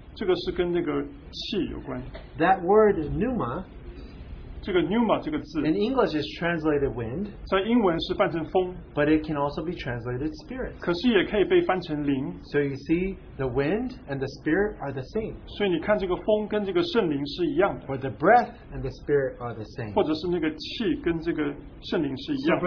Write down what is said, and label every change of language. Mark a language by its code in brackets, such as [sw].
[en] That word pneuma. In English, it's translated wind. [zh] 在英文是翻成风, [en] but it can also be translated spirit. [zh] 可是也可以被翻成灵, [en] so you see, the wind and the spirit are the same. [zh] 所以你看这个风跟这个圣灵是一样的, [en] or the breath and the spirit are the same. [zh] 或者是那个气跟这个圣灵是一样的,